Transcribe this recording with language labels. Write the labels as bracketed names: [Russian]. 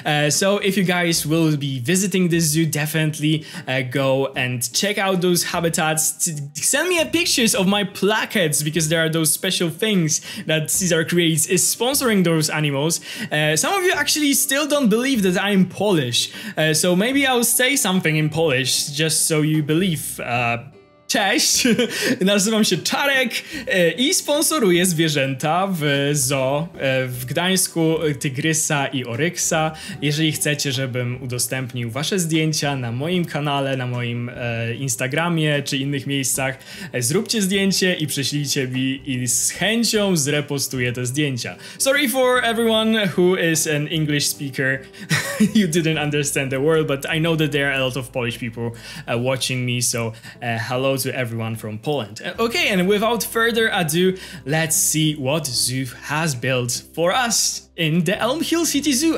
[English] So if you guys will be visiting this zoo, definitely go and check out those habitats. Send me a pictures of my placards, because there are those special things that Cesar Creates is sponsoring those animals. Some of you actually still don't believe that I'm Polish, so maybe I'll say something in Polish just so you believe. [Polish] Cześć, nazywam się Czarek i sponsoruję zwierzęta w zoo w Gdańsku, tygrysa i oryksa. Jeżeli chcecie, żebym udostępnił wasze zdjęcia na moim kanale, na moim Instagramie czy innych miejscach, zróbcie zdjęcie i prześlijcie mi i z chęcią zrepostuję te zdjęcia. [English] Sorry for everyone who is an English speaker. You didn't understand the word, but I know that there are a lot of Polish people watching me, so hello to everyone from Poland. Okay, and without further ado, let's see what Zoo has built for us in the Elm Hill City Zoo.